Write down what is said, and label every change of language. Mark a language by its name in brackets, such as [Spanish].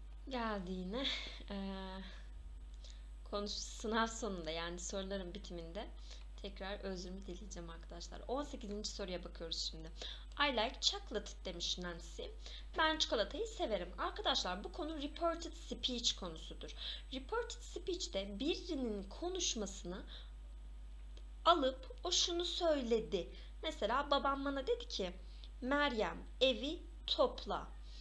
[Turkish] Geldiğine sınav sonunda yani soruların bitiminde tekrar özrümü dileyeceğim arkadaşlar. 18. soruya bakıyoruz şimdi. [English] I like chocolate [Turkish] demiş [English] Nancy. [Turkish] Ben çikolatayı severim. Arkadaşlar bu konu reported speech konusudur. Reported speech'te birinin konuşmasını alıp o şunu söyledi. Mesela babam bana dedi ki Meryem evi topla.